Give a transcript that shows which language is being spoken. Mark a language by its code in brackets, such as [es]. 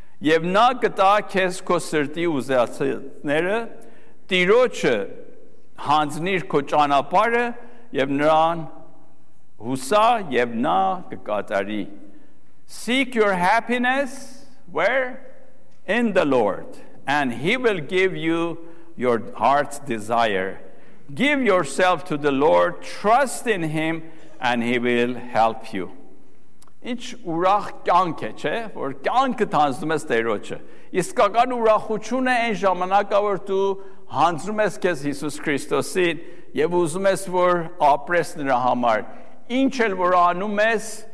[hy] եւ նա կտա քեզ քո սրտի ուզածները, տիրոջը հանձնիր քո ճանապարհը, եւ նրան հուսա, եւ նա կկատարի։ [en] Seek your happiness where? In the Lord, and he will give you your heart's desire. Give yourself to the Lord, trust in him, and he will help you. [hy] Ինչ ուրախ կյանք է, չէ, որ կյանքդ հանձնում ես Տերոջը։ Իսկական ուրախությունը այն ժամանակա, որ դու հանձնում ես քեզ Հիսուս Քրիստոսին եւ ուզում ես, որ ապրես նրա համար։ Ինչ էլ որ անում ես,